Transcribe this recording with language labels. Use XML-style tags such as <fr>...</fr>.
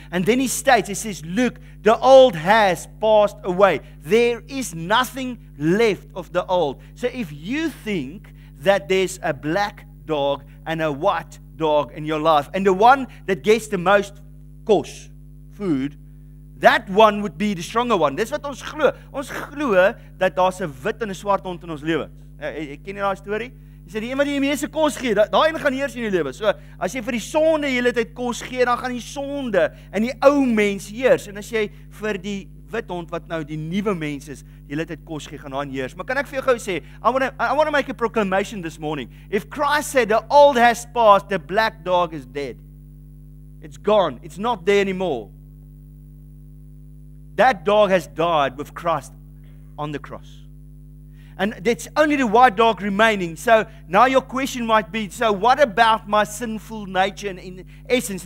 <en>And then he says, look, the old has passed away. There is nothing left of the old. So if you think that there's a black dog and a white dog in your life, and the one that gets the most kos, food, that one would be the stronger one.</en> <af>Dis wat ons glo. Ons glo dat daar 'n wit en 'n swart hond in ons lewe. Jy ken nie daai storie? Jy sê die een wat die meeste kos gee, daai een gaan heers in jou lewe. So as jy vir die sonde die hele tyd kos gee, dan gaan die sonde en die ou mens heers. En as jy vir die wit hond wat nou die nuwe mens is, die hele tyd kos gee, gaan daai heers. Maar kan ek vir jou gou sê,</af> <en>I want to make a proclamation this morning. If Christ said the old has passed, the black dog is dead. It's gone. It's not there anymore. That dog has died with Christ on the cross. And it's only the white dog remaining. So now your question might be, so what about my sinful nature and in essence?</en>